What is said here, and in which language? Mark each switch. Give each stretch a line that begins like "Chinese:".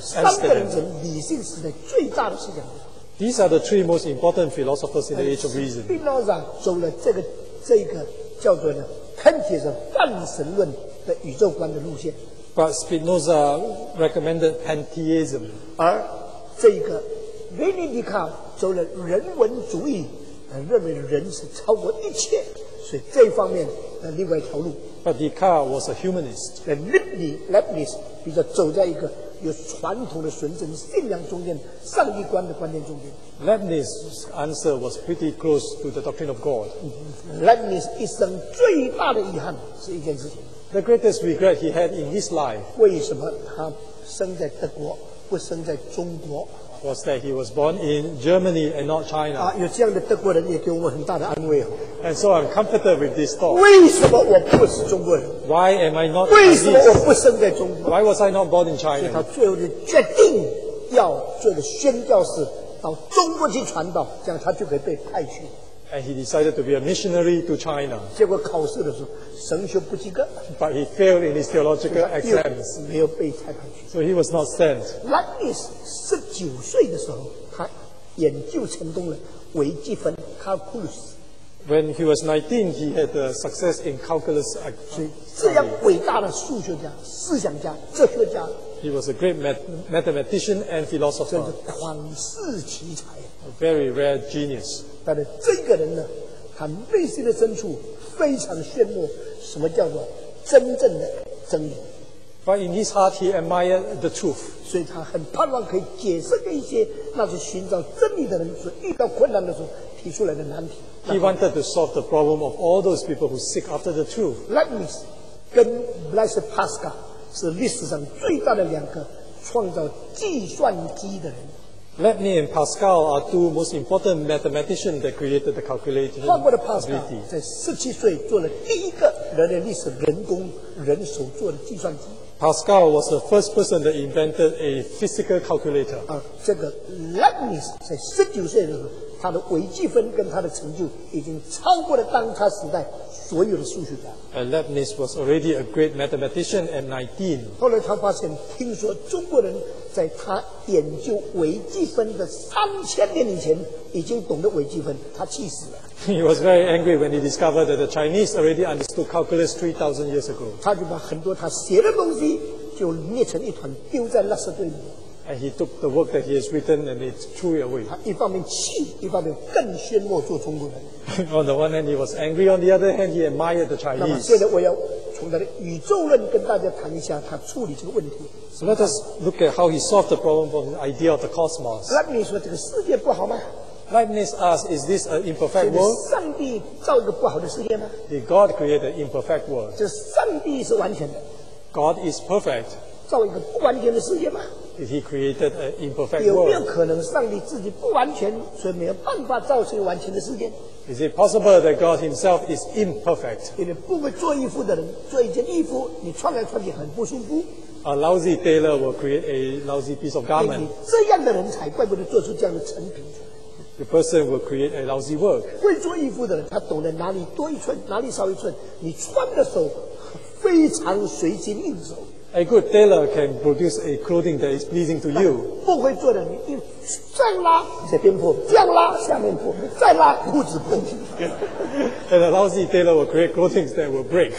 Chinese: 三个人是理性时代最大的思想家。
English: These are the three most important philosophers in the age of reason.
Chinese: Spinoza 走了这个叫做呢 pantheism 泛神论的宇宙观的路线。
English: But Spinoza recommended pantheism.
Chinese: 而这个 René Descartes 走了人文主义，认为人是超过一切，所以这方面的另外一条路。
English: But Descartes was a humanist.
Chinese: Leibniz 比较走在一个有传统的纯正信仰中间，上帝观的观念中间。
English: Leibniz's answer was pretty close to the doctrine of God.
Chinese: Leibniz 一生最大的遗憾是一件事情。
English: The greatest regret he had in his life.
Chinese: 为什么他生在德国，不生在中国？
English: Was that he was born in Germany and not China.
Chinese: 啊，有这样的德国人也给我们很大的安慰哦。
English: And so I'm comforted with this thought.
Chinese: 为什么我不是中国人？
English: Why am I not?
Chinese: 为什么我不生在中国？
English: Why was I not born in China?
Chinese: 所以他最后就决定要做个宣教士，到中国去传道，这样他就可以被派去。
English: And he decided to be a missionary to China.
Chinese: 结果考试的时候，神学不及格。
English: But he failed in his theological exams.
Chinese: 没有被派去。
English: So he was not sent.
Chinese: Leibniz 19岁的时候，他研究成功了微积分 calculus。
English: When he was 19, he had a success in calculus.
Chinese: 所以这样伟大的数学家、思想家、哲学家。
English: He was a great mathematician and philosopher.
Chinese: 真是旷世奇才。
English: A very rare genius.
Chinese: 但是这个人呢，他他内心的深处非常羡慕什么叫做真正的真理。
English: But in his heart, he admired the truth.
Chinese: 所以他很盼望可以解释给一些那些寻找真理的人所遇到困难的时候提出来的难题。
English: He wanted to solve the problem of all those people who seek after the truth.
Chinese: Leibniz 跟 Blaise Pascal 是历史上最大的两个创造计算机的人。
English: Leibniz and Pascal are two most important mathematicians that created the calculating ability.
Chinese: 法国的 Pascal 在17岁做了第一个人类历史人工人手做的计算机。
English: Pascal was the first person that invented a physical calculator.
Chinese: 这个 Leibniz 在19岁的时候，他的微积分跟他的成就已经超过了当他时代所有的数学家。
English: And Leibniz was already a great mathematician at 19.
Chinese: 后来他发现，听说中国人在他研究微积分的3000年以前已经懂得微积分，他气死了。
English: He was very angry when he discovered that the Chinese already understood calculus 3,000 years ago.
Chinese: 他就把很多他写的东西就捏成一团丢在垃圾堆里。
English: And he took the work that he has written and he threw it away.
Chinese: 他一方面气，一方面更羡慕做中国人。
English: On the one hand, he was angry. On the other hand, he admired the Chinese.
Chinese: 那么现在我要从他的宇宙论跟大家谈一下他处理这个问题。
English: So let us look at how he solved the problem of the idea of the cosmos.
Chinese: 那你说这个世界不好吗？
English: Leibniz asks, is this an imperfect world?
Chinese: 上帝造一个不好的世界吗？
English: Did God create an imperfect world?
Chinese: 这上帝是完全的。
English: God is perfect.
Chinese: 造一个不完全的世界吗？
English: Did he create an imperfect
Chinese: 有没有可能上帝自己不完全，所以没有办法造出一个完全的世界？
English: Is it possible that God himself is imperfect?
Chinese: 因为不会做衣服的人，做一件衣服，你穿来穿去很不舒服。
English: A lousy tailor will create a lousy piece of garment.
Chinese: 这样的人才怪不得做出这样的成品。
English: The person will create a lousy work.
Chinese: 会做衣服的人，他懂得哪里多一寸，哪里少一寸。你穿的时候非常随心应手。
English: A good tailor can produce a clothing that is pleasing to you.
Chinese: 不会做的，你一这样拉，这边破；这样拉，下面破；再拉，裤子破。
English: And a lousy tailor will create clothing that will break.